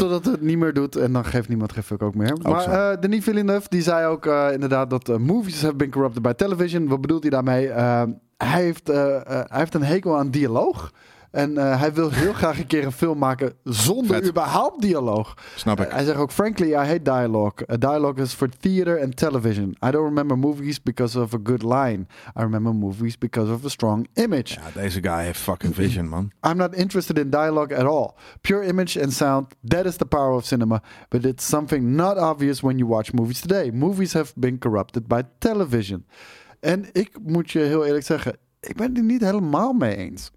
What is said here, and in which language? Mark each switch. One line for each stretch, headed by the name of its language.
Dutch: Geld totdat het niet meer doet en dan geeft niemand geen fuck ook meer. Ook maar Denis Villeneuve die zei ook inderdaad dat
English: movies have been corrupted by television.
Dutch: Wat bedoelt hij daarmee? Hij heeft een hekel aan dialoog. En hij wil heel graag een keer een film maken zonder überhaupt dialoog. Snap ik. Hij zegt ook,
English: frankly, I hate dialogue. A dialogue is for theater and television. I don't remember movies because of a good line. I remember movies because of a strong image.
Dutch: Ja, deze guy heeft fucking vision, man.
English: I'm not interested in dialogue at all. Pure image and sound, that is the power of cinema. But it's something not obvious when you watch movies today. Movies have been corrupted by television.
Dutch: En ik moet je heel eerlijk zeggen... Ik ben het niet helemaal mee eens.